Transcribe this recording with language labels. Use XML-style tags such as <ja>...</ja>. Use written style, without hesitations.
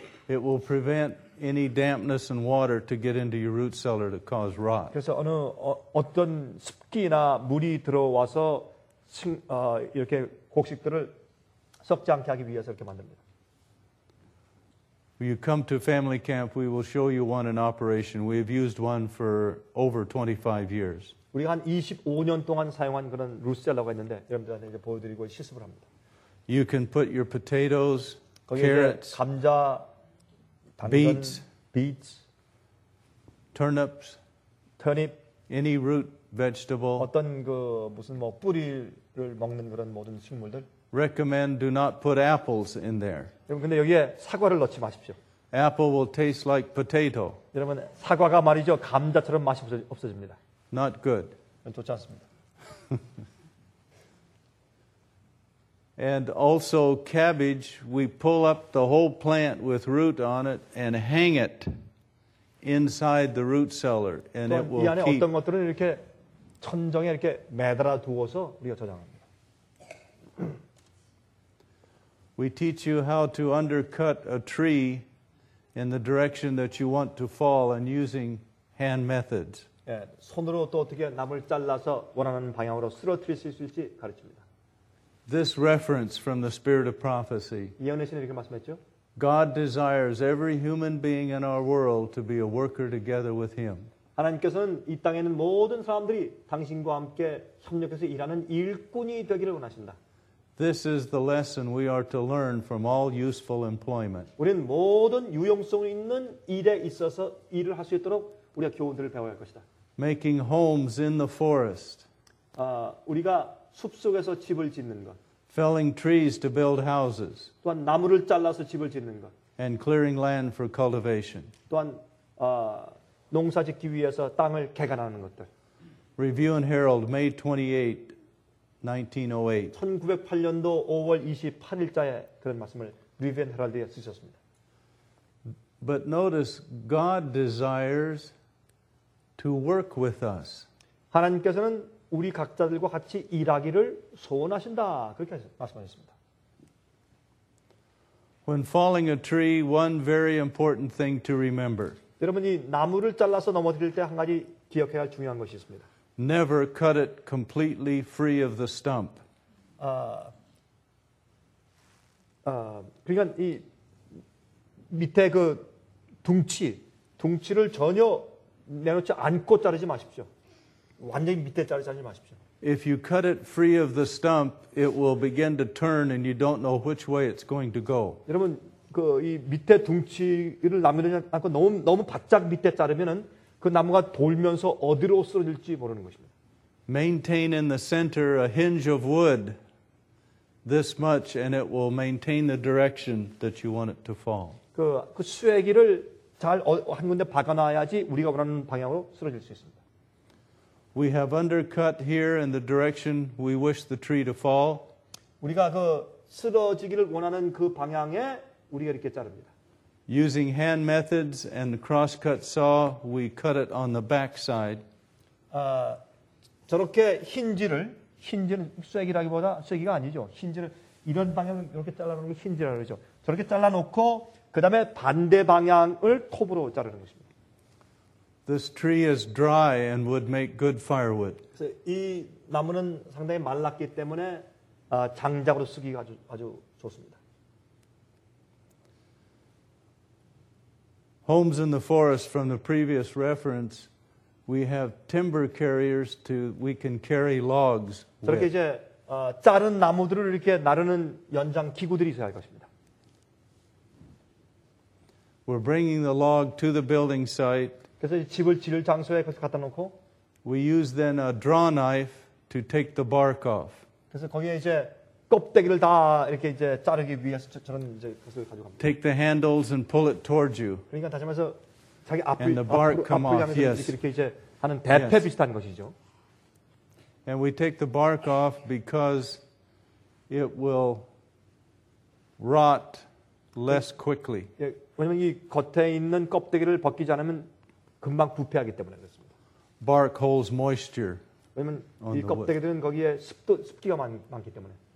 <en>It will prevent any dampness and water to get into your root cellar to cause rot.</en> <ko>그래서 어떤 습기나 물이 들어와서 이렇게 곡식들을 썩지 않게 하기 위해서 이렇게 만듭니다.</ko> <en>When you come to family camp, we will show you one in operation. We have used one for over 25 years.</en> <ko>우리가 한 25년 동안 사용한 그런 root cellar가 있는데 여러분들한테 이제 보여드리고 실습을 합니다.</ko> <en>You can put your potatoes, carrots,</en> <ko>감자</ko> <en>Beets, turnip, any root vegetable.</en> <ko>어떤 그 무슨 뭐 뿌리를 먹는 그런 모든 식물들.</ko> <en>Recommend do not put apples in there.</en> <ko>여러분 근데 여기에 사과를 넣지 마십시오.</ko> <en>Apple will taste like potato.</en> <ko>여러분 사과가 말이죠 감자처럼 맛이 없어집니다.</ko> <en>Not good.</en> <ko>좋지 않습니다.</ko> <en>And also cabbage, we pull up the whole plant with root on it and hang it inside the root cellar, and it will keep.</en> <ko>이 안에 어떤 것들은 이렇게 천정에 이렇게 매달아 두어서 우리가 저장합니다.</ko> <en>We teach you how to undercut a tree in the direction that you want to fall and using hand methods.</en> <ko>예, 손으로 또 어떻게 나무를 잘라서 원하는 방향으로 쓰러뜨릴 수 있을지 가르칩니다.</ko> <en>This reference from the spirit of prophecy.</en> <ko>예언에서 이렇게 말씀했죠.</ko> <en>God desires every human being in our world to be a worker together with Him.</en> <ko>하나님께서는 이 땅에는 모든 사람들이 당신과 함께 협력해서 일하는 일꾼이 되기를 원하신다.</ko> <en>This is the lesson we are to learn from all useful employment.</en> <ko>우리는 모든 유용성 있는 일에 있어서 일을 할 수 있도록 우리가 교훈들을 배워야 할 것이다.</ko> <en>Making homes in the forest.</en> <ko>우리가 숲 속에서 집을 짓는 것.</ko> <en>Felling trees to build houses.</en> <ko>또한 나무를 잘라서 집을 짓는 것.</ko> <en>And clearing land for cultivation.</en> <ko>또한 농사 짓기 위해서 땅을 개간하는 것들.</ko> <en>Review and Herald, May 28, 1908.</en> <ko>1908년도 5월 28일자에 그런 말씀을 Review and Herald에 쓰셨습니다.</ko> <en>But notice, God desires to work with us.</en> <ko>하나님께서는 우리 각자들과 같이 일하기를 소원하신다. 그렇게 말씀하셨습니다.</ko> <en>When falling a tree, one very important thing to remember.</en> <ko>여러분이 나무를 잘라서 넘어뜨릴 때 한 가지 기억해야 할 중요한 것이 있습니다.</ko> <en>Never cut it completely free of the stump.</en> <ko>그러니까 이 밑에 그 둥치를 전혀 내놓지 않고 자르지 마십시오. 완전히 밑에 자르지 마십시오.</ko> <en>If you cut it free of the stump, it will begin to turn and you don't know which way it's going to go.</en> <ko>여러분 그 이 밑에 둥치를 남겨두지 않고 너무 바짝 밑에 자르면은 그 나무가 돌면서 어디로 쓰러질지 모르는 것입니다.</ko> <en>Maintain in the center a hinge of wood this much and it will maintain the direction that you want it to fall.</en> <ko>그 쇠기를 잘 한 군데 박아놔야지 우리가 원하는 방향으로 쓰러질 수 있습니다.</ko> <en>We have undercut here in the direction we wish the tree to fall.</en> <ko>우리가 그 쓰러지기를 원하는 그 방향에 우리가 이렇게 자릅니다.</ko> <en>Using hand methods and the cross-cut saw, we cut it on the backside.</en> <ko>저렇게 흰지는 쇠기라기보다 쇠기가 아니죠. 흰지를 이런 방향으로 이렇게 잘라놓는 게 흰지라고 그러죠. 저렇게 잘라놓고 그 다음에 반대 방향을 톱으로 자르는 것입니다.</ko> <en>This tree is dry and would make good firewood.</en> <ko>이 나무는 상당히 말랐기 때문에 장작으로 쓰기가 아주 좋습니다.</ko> <en>Homes in the forest from the previous reference, we have timber carriers to we can carry logs.</en> <ko>저렇게 이제 자른 나무들을 이렇게 나르는 연장 기구들이 있어야 할 것입니다.</ko> <en>We're bringing the log to the building site.</en> <ko>그래서 집을 지을 장소에 그것을 갖다 놓고.</ko> <en>We use then a draw knife to take the bark off.</en> <ko>그래서 거기에 이제 껍데기를 다 이렇게 이제 자르기 위해서 저런 이제 그것을 가져갑니다.</ko> <en>Take the handles and pull it towards you.</en> <ko>그러니까 다시 말해서 자기 앞을</ko> <en>and the bark come off.</en> <ko>이렇게 yes. 이제 하는 대패 yes. 비슷한 것이죠.</ko> <en>And we take the bark off because it will rot less quickly.</en> <ko>예, 왜냐면 이 겉에 있는 껍데기를 벗기지 않으면 금방 부패하기 때문에 그렇습니다.</ko> <en>Bark holds moisture.</en> <ko>왜냐면 이 껍데기들은 거기에 습기가 많기 때문에.</ko>